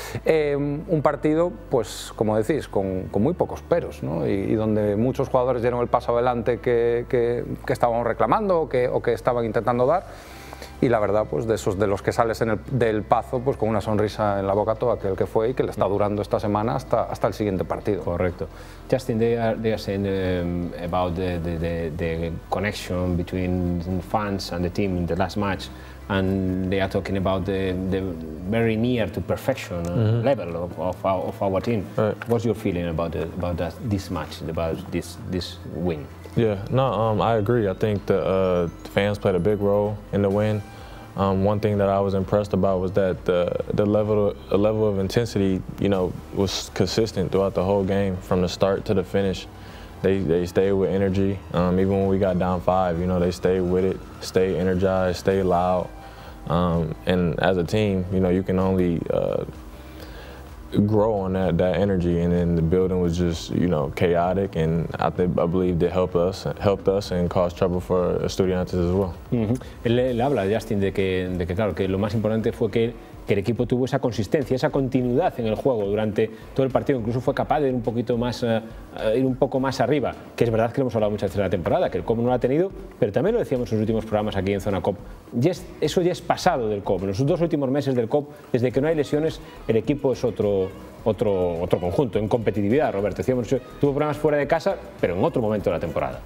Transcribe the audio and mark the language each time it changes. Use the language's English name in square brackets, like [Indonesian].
[Spanish] Un partido, pues como decís, con muy pocos peros, ¿no? Y donde muchos jugadores dieron el paso adelante que estábamos reclamando o que estaban intentando dar. Y la verdad, pues de esos de los que sales del Pazo, pues con una sonrisa en la boca todo aquel que fue y que le está durando esta semana hasta el siguiente partido. Correcto. [English] Justin, they are saying about the connection between fans and the team in the last match, and they are talking about the very near to perfection level of our team. Right. What's your feeling about this match, about this win? Yeah, no, I agree. I think the fans played a big role in the win. One thing that I was impressed about was that the level of intensity, you know, was consistent throughout the whole game from the start to the finish. They stayed with energy. Even when we got down 5, you know, they stayed with it, stayed energized, stayed loud. And as a team, you know, you can only grow on that energy, and then the building was just, you know, chaotic, and I believe it helped us and caused trouble for Estudiantes as well. [Spanish] Él habla, Justin, de que claro, que lo más importante fue que el equipo tuvo esa consistencia, esa continuidad en el juego durante todo el partido, incluso fue capaz de ir un poco más arriba, que es verdad que lo hemos hablado muchas veces en la temporada, que el COP no lo ha tenido, pero también lo decíamos en los últimos programas aquí en Zona COP, eso ya es pasado del COP, en los dos últimos meses del COP, desde que no hay lesiones, el equipo es otro conjunto, en competitividad, Roberto, decíamos, tuvo problemas fuera de casa, pero en otro momento de la temporada.